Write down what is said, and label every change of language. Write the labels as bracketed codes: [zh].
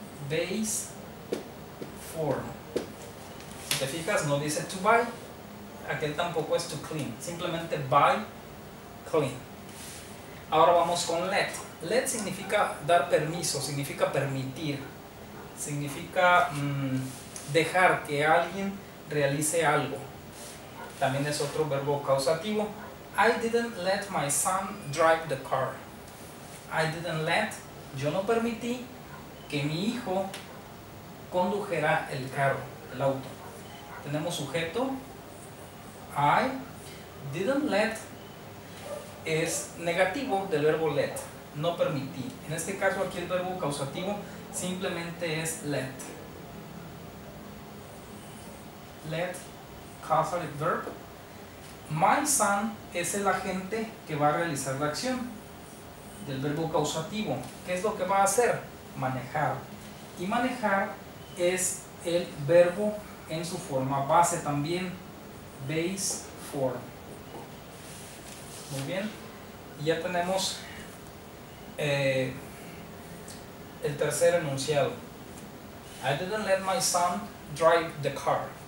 [es] Base form. Te fijas, no dice to buy, aquel tampoco es to clean, simplemente buy clean. Ahora vamos con let. Let significa dar permiso, significa permitir, significa dejar que alguien realice algo. También es otro verbo causativo. [en] I didn't let my son drive the car. I didn't let, [es] yo no permití que mi hijo condujera el carro, el auto. Tenemos sujeto, [en] I didn't let, [es] es negativo del verbo let, no permití. En este caso aquí el verbo causativo simplemente es let. [en] Let, causative verb. [es] My son es el agente que va a realizar la acción del verbo causativo. ¿Qué es lo que va a hacer? Manejar. Y manejar es el verbo en su forma base también, base form. Muy bien, ya tenemos el tercer enunciado. [en] I didn't let my son drive the car.